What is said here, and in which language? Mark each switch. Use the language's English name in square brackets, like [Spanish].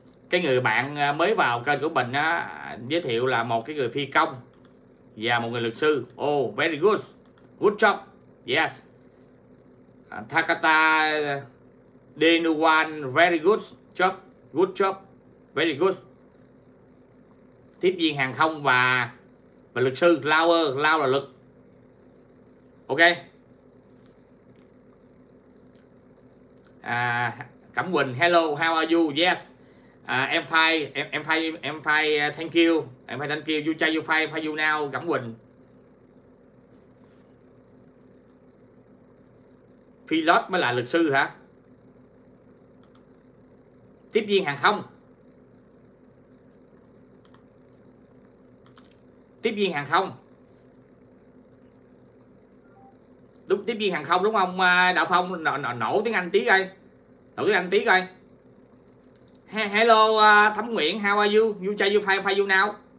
[Vietnamese] Cái người bạn mới vào kênh của mình á, giới thiệu là một cái người phi công và một người luật sư. [English] Oh, very good. Good job. Yes. Takata Denuwan, very good job. Good job. Very good. [Vietnamese] Tiếp viên hàng không và luật sư, lawyer, law là luật. Ok. [English] Cẩm Quỳnh, hello, how are you? Yes. Em fine, thank you. Em fine, thank you. You fine now, Cẩm Quỳnh. [Vietnamese] Pilot mới là luật sư hả? Tiếp viên hàng không. Tiếp viên hàng không. Đúng, tiếp viên hàng không đúng không? Đạo Phong nổ tiếng Anh tí coi. Nổ tiếng Anh tí coi. [English] Hello Thấm Nguyễn, how are you? You try your file you now.